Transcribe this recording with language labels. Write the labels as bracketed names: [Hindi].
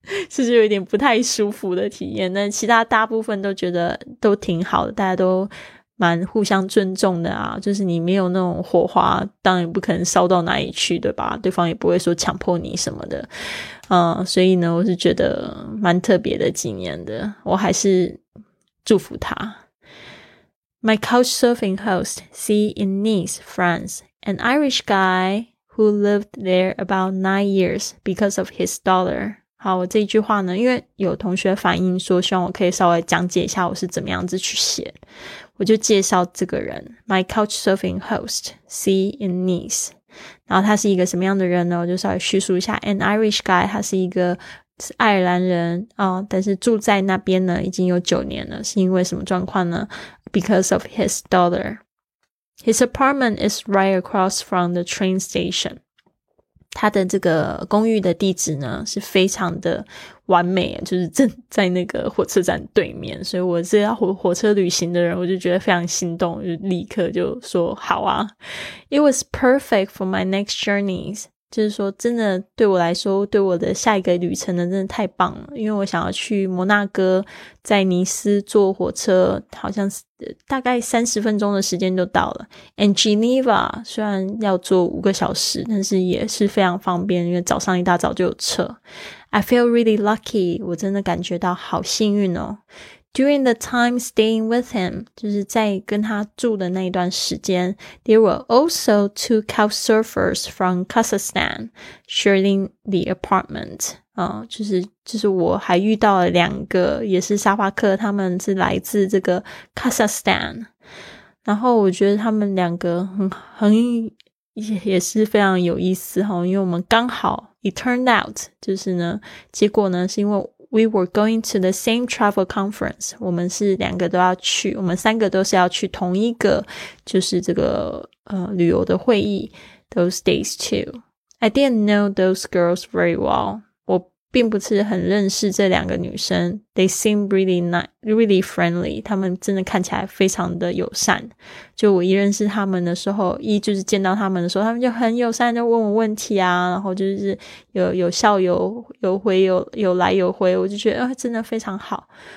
[Chinese] 是不是有一点不太舒服的体验，那其他大部分都觉得都挺好的，大家都蛮互相尊重的啊，就是你没有那种火花当然不可能烧到哪里去，对吧，对方也不会说强迫你什么的，所以呢我是觉得蛮特别的经验的，我还是祝福他。 [English] My couchsurfing host see in Nice, France, an Irish guy who lived there about 9 years because of his daughter. [Chinese] 好，我这一句话呢，因为有同学反映说希望我可以稍微讲解一下我是怎么样子去写，我就介绍这个人 [English] My couchsurfing host C in Nice， [Chinese] 然后他是一个什么样的人呢，我就稍微叙述一下。 [English] An Irish guy， [Chinese] 他是一个是爱尔兰人啊，但是住在那边呢已经有9年了，是因为什么状况呢？ [English] Because of his daughter。 His apartment is right across from the train station。 [Chinese] 他的这个公寓的地址呢是非常的完美，就是正在那个火车站对面，所以我是要 火车旅行的人，我就觉得非常心动，就立刻就说好啊。 [English] It was perfect for my next journeys， [Chinese] 就是说真的对我来说，对我的下一个旅程呢真的太棒了，因为我想要去摩纳哥，在尼斯坐火车好像大概30分钟的时间就到了， [English] and Geneva [Chinese] 虽然要坐5个小时，但是也是非常方便，因为早上一大早就有车。 [English] I feel really lucky， [Chinese] 我真的感觉到好幸运哦。 [English] During the time staying with him， [Chinese] 就是在跟他住的那一段时间， [English] There were also 2 couchsurfers from Kazakhstan sharing the apartment。 [Chinese] 就是我还遇到了两个也是沙发客，他们是来自这个 Kazakhstan， 然后我觉得他们两个也是非常有意思齁，因为我们刚好 [English] it turned out， [Chinese] 就是呢结果呢是因为 [English] we were going to the same travel conference， [Chinese] 我们是两个都要去，我们三个都是要去同一个就是这个旅游的会议， [English] those days too。 I didn't know those girls very well， [Chinese] 并不是很认识这两个女生。 [English] They seem really nice, really friendly， [Chinese] 她们真的看起来非常的友善，就我一认识她们的时候，一就是见到她们的时候，她们就很友善，就问我问题啊，然后就是有笑有回有来有回，我就觉得真的非常好。